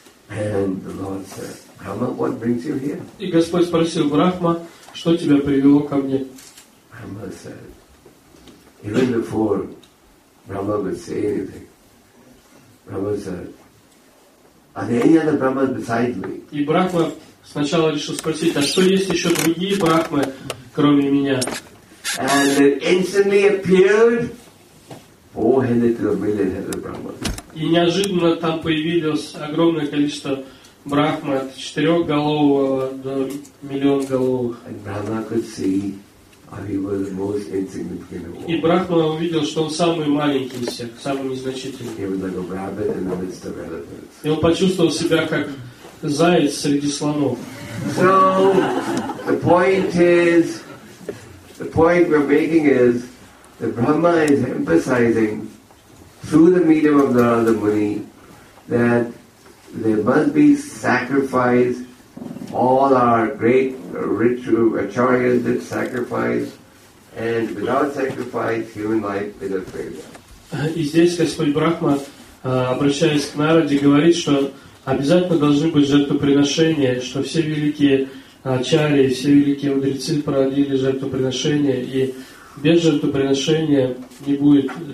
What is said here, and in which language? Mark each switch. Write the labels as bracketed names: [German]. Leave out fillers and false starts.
[English] And the Lord said, Brahma, what brings you here? [Russian] И Господь спросил Брахма, что тебя привело ко мне? [English] Brahma said, even before Brahma would say anything, Brahma said, are there any other Brahmas besides me? [Russian] И Брахма сначала решил спросить, а что есть еще другие Брахмы, кроме меня? [English] And there instantly appeared 400 million-headed Brahmas. [Russian] И неожиданно там появилось огромное количество Брахмы от четырехголового до миллионголовых. [English] And Brahma could see how he was the most insignificant of all. [Russian] И Брахма увидел, что он самый маленький из всех, самый незначительный. [English] He was like a rabbit in the midst of elephants. [Russian] И он почувствовал себя как заяц среди слонов. [English] So the point we're making is that Brahma is emphasizing through the medium of Narada Muni that there must be sacrifice. All our great ritual acharyas did sacrifice, and without sacrifice, human life is a failure. [Russian] И здесь Господь Брахма, обращаясь к Нараде, говорит, что обязательно должны быть жертвоприношения, что все великие ачарьи, все великие мудрецы проводили жертвоприношения, и без жертвоприношения не будет.